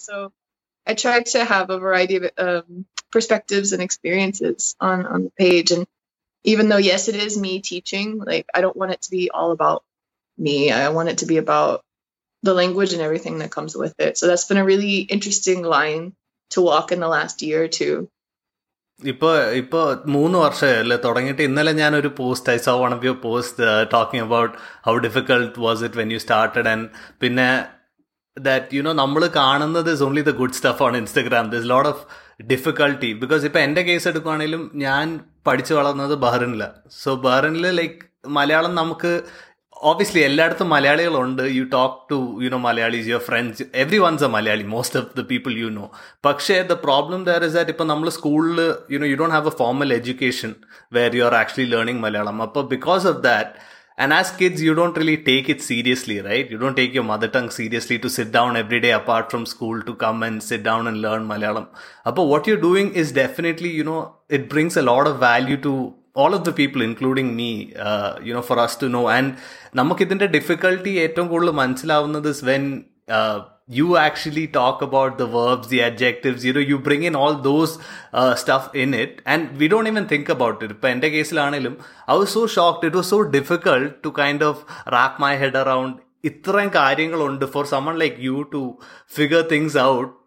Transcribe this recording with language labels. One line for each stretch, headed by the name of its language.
English: So I try to have a variety of perspectives and experiences on the page. And even though, yes, it is me teaching, like, I don't want it to be all about me. I want it to be about the language and everything that comes with it. So that's been a really interesting line to walk in the last year or two.
Malayalam: ഇപ്പോ 3 വർഷമല്ലേ തുടങ്ങിയിട്ട്. ഇന്നലെ ഞാൻ ഒരു post,
English: I saw one of your post talking about how difficult was it when you started, and
Malayalam: പിന്നെ
English: that you know
Malayalam: നമ്മൾ കാണുന്നത്
English: Is only the good stuff on Instagram. This lot of difficulty because
Malayalam: ഇപ്പൊ എന്റെ case എടുക്കുവാണെങ്കിലും ഞാൻ പഠിച്ചു വളർന്നത് ബഹ്റിനിലാണ്. So ബഹ്റിനിൽ like Malayalam നമുക്ക് obviously എല്ലായിടത്തും മലയാളികളുണ്ട്.
English: You talk to you know Malayalis, your friends, every one's a Malayali, most of the people you know.
Malayalam: പക്ഷേ
English: the problem there is that
Malayalam: ഇപ്പം നമ്മൾ സ്കൂളിൽ
English: You know you don't have a formal education where you are actually learning Malayalam.
Malayalam: അപ്പോൾ
English: Because of that and as kids you don't really take it seriously, right? You don't take your mother tongue seriously to sit down every day apart from school to come and sit down and learn Malayalam.
Malayalam: അപ്പോൾ
English: What you doing is definitely you know it brings a lot of value to all of the people including me, you know, for us to know. And
Malayalam: namak idinte difficulty ethom kodulu manasilavunnathu
English: is when you actually talk about the verbs, the adjectives, you know, you bring in all those stuff in it and we don't even think about it.
Malayalam: Ippa ente case laanalum
English: I was so shocked, it was so difficult to kind of wrap my head around
Malayalam: ithram karyangal und
English: for someone like you to figure things out.